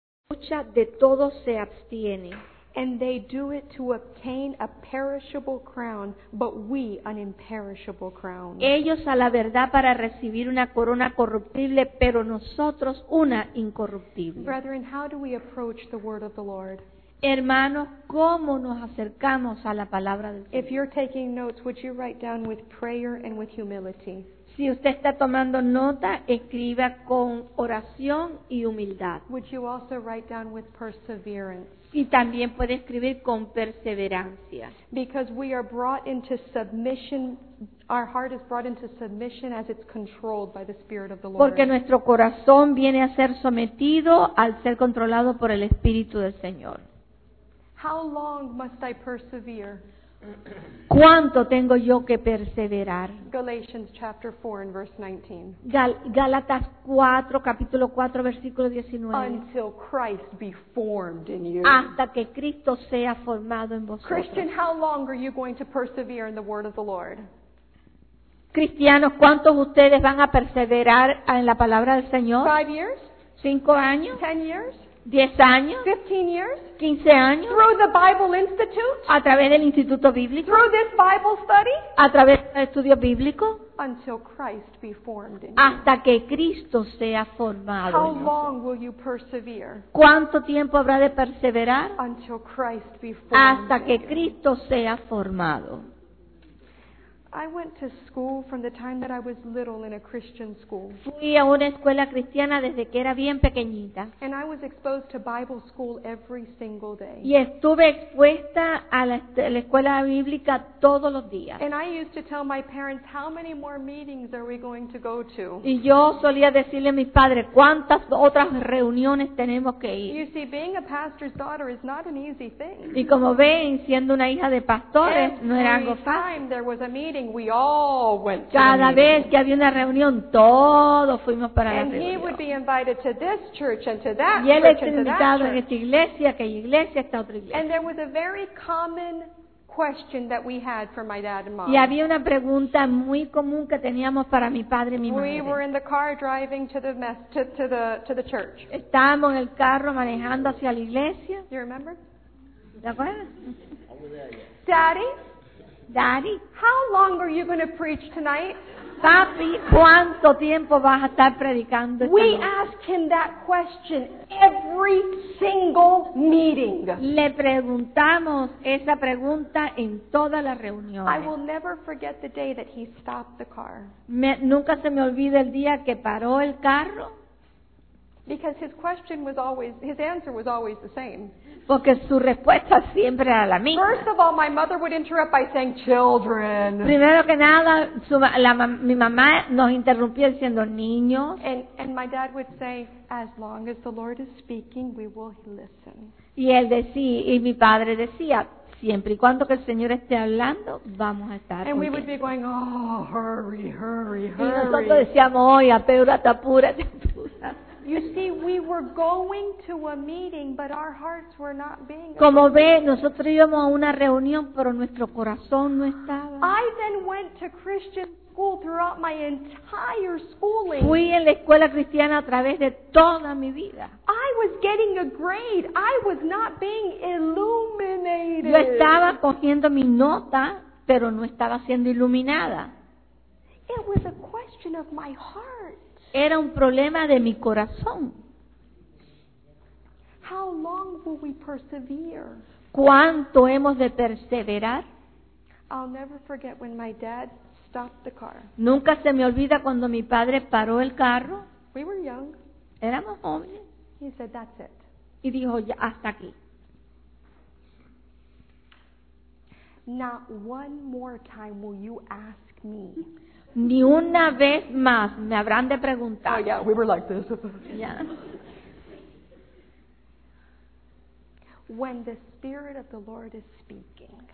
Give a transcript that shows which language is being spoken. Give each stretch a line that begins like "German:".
Spanish: lucha de todo se abstiene.
English: And they do it to obtain a perishable crown, but we an imperishable crown.
Spanish: Ellos a la verdad para recibir una corona corruptible, pero nosotros una incorruptible.
English: Brethren, how do we approach the word of the Lord?
Spanish: Hermanos, ¿cómo nos acercamos a la palabra del Señor?
English: If you're taking notes, would you write down with prayer and with humility?
Spanish: Si usted está tomando nota, escriba con oración y humildad.
English: Would you also write down with perseverance?
Spanish: Y también puede escribir con perseverancia.
English: Because we are brought into submission, our heart is brought into submission as it's controlled by the Spirit of the Lord.
Spanish: Porque nuestro corazón viene a ser sometido al ser controlado por el Espíritu del Señor.
English: How long must I persevere?
Spanish: ¿Cuánto tengo yo que perseverar?
English: Galatians chapter 4 and verse 19.
Spanish: Galatas 4, capítulo 4, versículo 19.
English: Until Christ be formed in you.
Spanish: Hasta que Cristo sea formado en vosotros.
English: Christian, how long are you going to persevere in the word of the Lord?
Spanish: Cristianos, ¿cuántos ustedes van a perseverar en la palabra del Señor?
English: 5 years?
Spanish: 5 años?
English: 10 years?
Spanish: 10 años,
English: 15 years,
Spanish: 15 años,
English: through the Bible Institute,
Spanish: a través del Instituto Bíblico,
English: through this Bible study,
Spanish: a través del estudio bíblico,
English: until Christ be formed in you.
Spanish: Hasta que Cristo sea formado.
English: How long will you persevere?
Spanish: ¿Cuánto tiempo habrá de perseverar?
English: Until Christ be formed.
Spanish: Hasta que Cristo sea formado.
English: I went to school from the time that I was little in a Christian school.
Spanish: Fui a una escuela cristiana desde que era bien pequeñita.
English: And I was exposed to Bible school every single day.
Spanish: Y estuve expuesta a la escuela bíblica todos los días.
English: And I used to tell my parents, how many more meetings are we going to go to?
Spanish: Y yo solía decirle a mis padres, ¿cuántas otras reuniones tenemos que ir?
English: You see, being a pastor's daughter is not an easy thing.
Spanish: Y como ven, siendo una hija de pastores,
English: every
Spanish: no era algo fácil.
English: Every time there was a meeting, we all went to.
Spanish: Cada vez que había una reunión, todos fuimos para
English: and
Spanish: la reunión.
English: And he would be invited to this church and to that.
Spanish: Y él era invitado en esta iglesia, aquella iglesia, esta otra iglesia.
English: And there was a very common question that we had for my dad and mom.
Spanish: Y había una pregunta muy común que teníamos para mi padre y mi madre.
English: We were in the car driving to the church.
Spanish: Estábamos en el carro manejando hacia la iglesia.
English: You remember?
Spanish: ¿Te acuerdas?
English: Daddy. Daddy, how long are you going to preach tonight?
Spanish: Papi, ¿cuánto tiempo vas a estar predicando?
English: We ask him that question every single meeting.
Spanish: Le preguntamos esa pregunta en todas las reuniones.
English: I will never forget the day that he stopped the car.
Spanish: Nunca se me olvida el día que paró el carro.
English: Because his question was always, his answer was always the same.
Spanish: Porque su respuesta siempre era la misma.
English: First of all, my mother would interrupt by saying, children.
Spanish: Primero que nada, mi mamá nos interrumpía diciendo, niños.
English: And my dad would say, as long as the Lord is speaking, we will listen.
Spanish: Y él decía, y mi padre decía, siempre y cuando que el Señor esté hablando, vamos a estar.
English: And we would be going, oh, hurry, hurry, hurry.
Spanish: Y nosotros decíamos, oye, apúrate, apúrate, apúrate.
English: You see, we were going to a meeting, but our hearts were not being.
Spanish: Como ve, nosotros íbamos a una reunión, pero nuestro corazón no estaba.
English: I then went to Christian school throughout my entire schooling.
Spanish: Fui en la escuela cristiana a través de toda mi vida.
English: I was getting a grade. I was not being illuminated.
Spanish: Yo estaba cogiendo mi nota, pero no estaba siendo iluminada.
English: It was a question of my heart.
Spanish: Era un problema de mi corazón.
English: How long will we persevere?
Spanish: ¿Cuánto hemos de perseverar?
English: I'll never forget when my dad stopped the car.
Spanish: Nunca se me olvida cuando mi padre paró el carro.
English: We were young.
Spanish: Éramos jóvenes.
English: He said, "That's it."
Spanish: Y dijo, ya, hasta aquí.
English: Not one more time will you ask me.
Spanish: Ni una vez más me habrán de preguntar.
English: Oh, yeah, we were like this. Yeah. When the Spirit of the Lord is speaking.